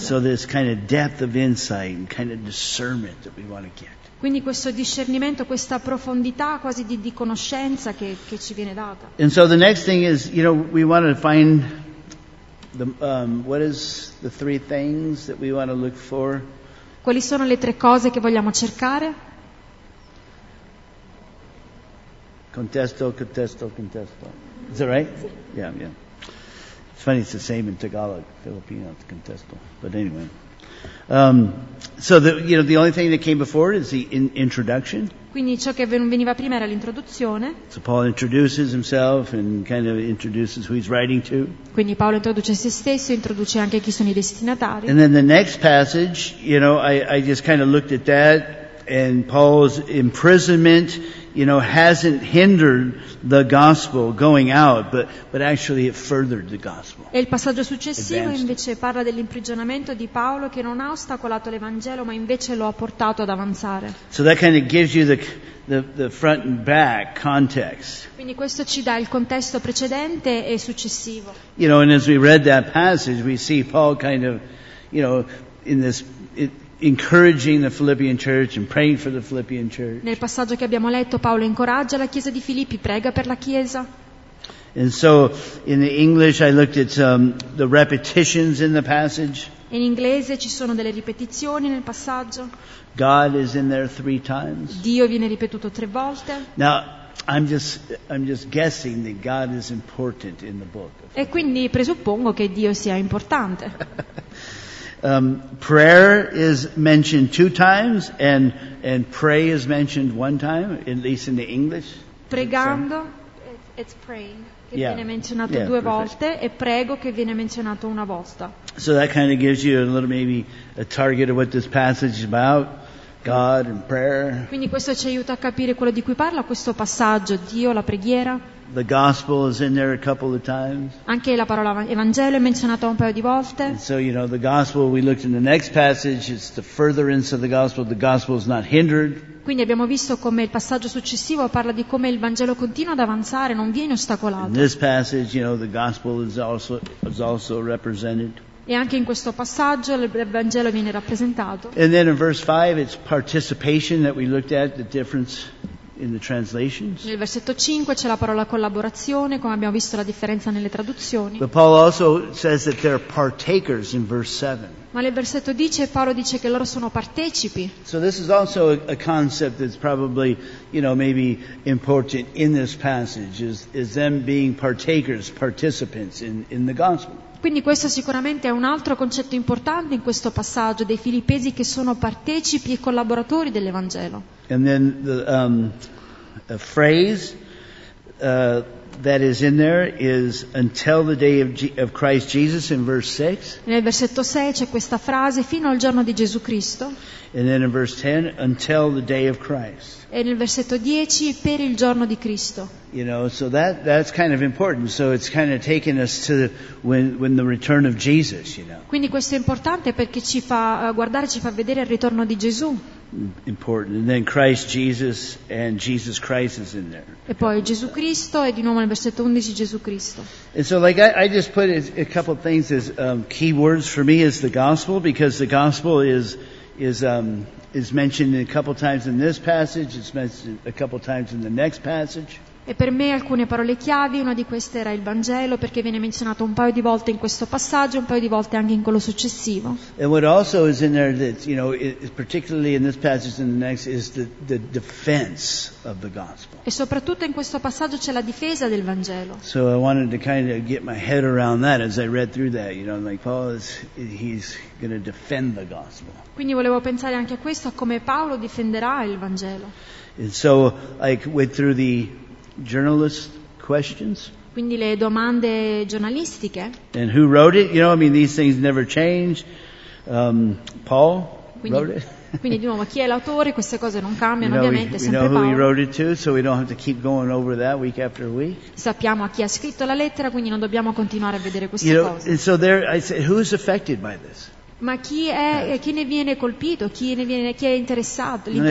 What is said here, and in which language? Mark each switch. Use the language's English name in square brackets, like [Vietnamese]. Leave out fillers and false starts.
[English] So this kind of depth of insight, kind of discernment that we want to get. [Italian] Quindi questo discernimento, questa profondità quasi di conoscenza che ci viene data. [English] And so the next thing is, you know, we want to find the what is the three things that we want to look for? [Italian] Quali sono le tre cose che vogliamo cercare? [English] Contesto. Is that right? [Italian] Sì. [English] Yeah. It's funny, it's the same in Tagalog, Filipino, it's contesto. But anyway. So the only thing that came before is the introduction. [Italian] Quindi ciò che veniva prima era l'introduzione. [English] So Paul introduces himself and kind of introduces who he's writing to. [Italian] Quindi Paolo introduce se stesso, introduce anche chi sono i destinatari. [English] And then the next passage, you know, I just kind of looked at that, and Paul's imprisonment, you know, hasn't hindered the gospel going out, but actually it furthered the gospel. [Italian] E il passaggio successivo invece parla dell'imprigionamento di Paolo che non ha ostacolato l'Evangelo, ma invece lo ha portato ad avanzare. [English] So that kind of gives you the front and back context. [Italian] Quindi questo ci dà il contesto precedente e successivo. [English] You know, and as we read that passage, we see Paul kind of, you know, in this, encouraging the Philippian church and praying for the Philippian church. [Italian] Nel passaggio che abbiamo letto, Paolo incoraggia la chiesa di Filippi, prega per la chiesa. [English] And so, in the English, I looked at the repetitions in the passage. [Italian] In inglese ci sono delle ripetizioni nel passaggio. [English] God is in there three times. [Italian] Dio viene ripetuto tre volte. [English] Now, I'm just guessing that God is important in the book. [Italian] E quindi presuppongo che Dio sia importante. [English] Prayer is mentioned two times, and pray is mentioned one time, at least in the English. Pregando, it's praying. [Italian] che viene menzionato due volte e prego che viene menzionato una volta. [English] So that kind of gives you a little maybe a target of what this passage is about, God and prayer. [Italian] Quindi questo ci aiuta a capire quello di cui parla questo passaggio, Dio, la preghiera. [English] The gospel is in there a couple of times. [Italian] Anche la parola evangelio è menzionata un paio di volte. [English] And so you know the gospel. We looked in the next passage. It's the furtherance of the gospel. The gospel is not hindered. [Italian] Quindi abbiamo visto come il passaggio successivo parla di come il Vangelo continua ad avanzare, non viene ostacolato. [English] In this passage, you know, the gospel is also represented. [Italian] E anche in questo passaggio il Vangelo viene rappresentato. [English] And then in verse 5, it's participation that we looked at, the difference. In the translations. [Italian] Nel versetto 5 c'è la parola collaborazione, come abbiamo visto la differenza nelle traduzioni. [English] But Paul also says that they're partakers in verse 7. [Italian] Ma nel versetto 10 Paolo dice che loro sono partecipi. [English] So this is also a concept that's probably, you know, maybe important in this passage is them being partakers, participants in the gospel. [Italian] Quindi questo sicuramente è un altro concetto importante in questo passaggio dei filippesi che sono partecipi e collaboratori dell'Evangelo. [English] And then the phrase that is in there is until the day of Christ Jesus in verse 6. [Italian] Nel versetto 6 c'è questa frase fino al giorno di Gesù Cristo. [English] And then in verse 10 until the day of Christ. [Italian] E nel versetto 10 per il giorno di Cristo. [English] You know, so that's kind of important. So it's kind of taking us to when the return of Jesus, you know. [Italian] Quindi questo è importante perché ci fa guardare, ci fa vedere il ritorno di Gesù. [English] Important. And then Christ Jesus and Jesus Christ is in there. [Italian] E poi Gesù Cristo e di nuovo nel versetto 11 Gesù Cristo. [English] And so like I just put a couple of things as key words for me is the gospel, because the gospel is mentioned a couple times in this passage, it's mentioned a couple times in the next passage. [Italian] E per me alcune parole chiavi, una di queste era il Vangelo, perché viene menzionato un paio di volte in questo passaggio, un paio di volte anche in quello successivo. [English] And what also is in there that, you know, particularly in this passage and the next, is the defense of the gospel. [Italian] E soprattutto in questo passaggio c'è la difesa del Vangelo. [English] So I wanted to kind of get my head around that as I read through that, you know, like Paul he's going to defend the gospel. [Italian] Quindi volevo pensare anche a questo, a come Paolo difenderà il Vangelo. [English] And so like went through the journalist questions. [Italian] Quindi le domande giornalistiche. [English] And who wrote it? You know, I mean, these things never change. Paul wrote it. [Italian] Quindi di nuovo, chi è l'autore? Queste cose non cambiano, [English] you know, [Italian] ovviamente, [English] we [Italian] sempre [English] know who [Italian] Paolo. [English] He wrote it to, so we don't have to keep going over that week after week. [Italian] Sappiamo a chi ha scritto la lettera, quindi non dobbiamo continuare a vedere queste [English] you know, [Italian] cose. [English] And so there, I said, who's affected by this? [Italian] Ma chi è, chi ne viene colpito, chi è interessato,